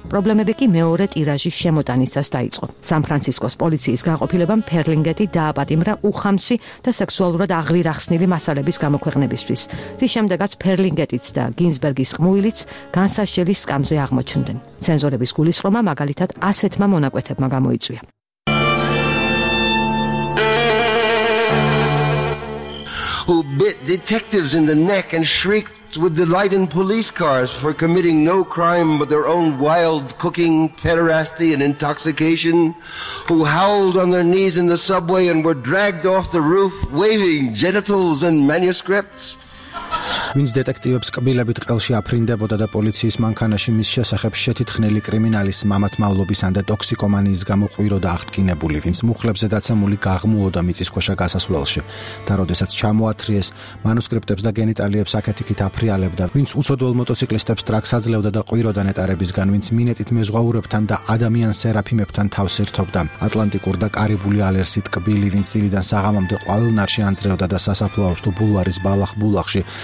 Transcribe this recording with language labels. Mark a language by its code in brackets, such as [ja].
[ka] პრობლემები კი მეორე ტირაჟის შემოტანისას დაიწყო. სან-ფრანცისკოს პოლიციის გაყოფილებამ ფერლინგეტი დააპატიმრა უხამსი და სექსუალურად აღვირახსნილი მასალების გამოქვეყნებისთვის, რის შემდეგაც ფერლინგეტიც და გინსბერგის ყმუილიც განსაშელი სკამზე აღმოჩნდნენ. ცენზორების გულისხმობა მაგალითად ასეთმა მონაკვეთებმა გამოიწვია. [en] Who bit detectives in the neck and shrieked with delight in police cars for committing no crime but their own wild cooking, pederasty, and intoxication, who howled on their knees in the subway and were dragged off the roof waving genitals and manuscripts. [ka] ვინც დეტექტივებს კბილებით ყელში აფრინდებოდა და პოლიციის მანქანაში მის შესახებ შეთითხნილი კრიმინალის მამათმავლობისან და ტოქსიკომანიის გამო ყვიროდა აღტკინებული, ვინც მუხლებზე დაცემული გაღმუოდა მიწისქვეშა გასასვლელში და როდესაც ჩამოათრიეს მანუსკრიპტებს და გენიტალიებს აქეთ-იქით აფრიალებდა, ვინც უცოდველ მოტოციკლისტებს ტრაქს აძლევდა და ყვიროდა ნეტარებისგან, ვინც მინეტით მეზღვაურებთან და ადამიან სერაფიმებთან თავს ერთობდა ატლანტიკურ და კარიბული ალერსით კბილი, ვინც დილიდან საღამომდე ყვავილნარში ანძრევდა და სასაფლაოს თუ ბულვარის ბალახ-ბულახში